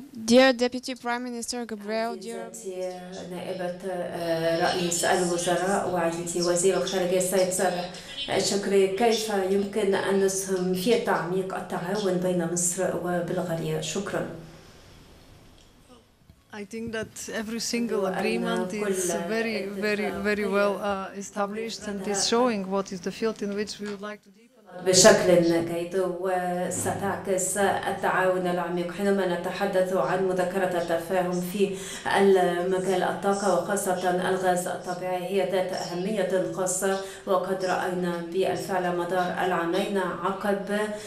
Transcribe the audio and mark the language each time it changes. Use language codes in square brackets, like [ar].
[en] Dear Deputy Prime Minister Gabriel, [ar] نائبة رئيس الوزراء وعزيزي وزير الخارجية السيد صالح الشكري، كيف يمكن أن نسهم في تعميق التعاون بين مصر وبلغاريا؟ شكرا. [en] I think that every single agreement is very, very, very well established and is showing what is the field in which we would like to deepen. [ar] بشكل جيد، وستعكس التعاون العميق حينما نتحدث عن مذكرة التفاهم في مجال الطاقة وخاصة الغاز الطبيعي، هي ذات أهمية خاصة، وقد رأينا بالفعل مدار العامين عقب